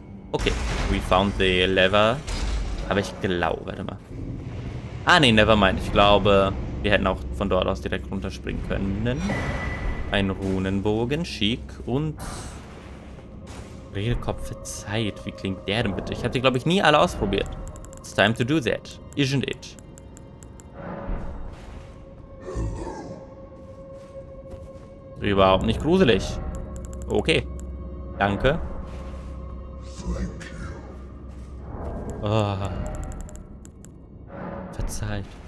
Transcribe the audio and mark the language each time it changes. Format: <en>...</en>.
<en>Okay, we found the lever.</en> <de>Aber ich glaube, warte mal. Ah nee,</de> <en>never mind.</en> <de>Ich glaube, wir hätten auch von dort aus direkt runterspringen können. Ein Runenbogen, schick und... Redekopf für Zeit. Wie klingt der denn bitte? Ich habe die, glaube ich, nie alle ausprobiert.</de> <en>It's time to do that, isn't it?</en> <de>Überhaupt nicht gruselig. Okay. Danke. Oh. Verzeiht.</de>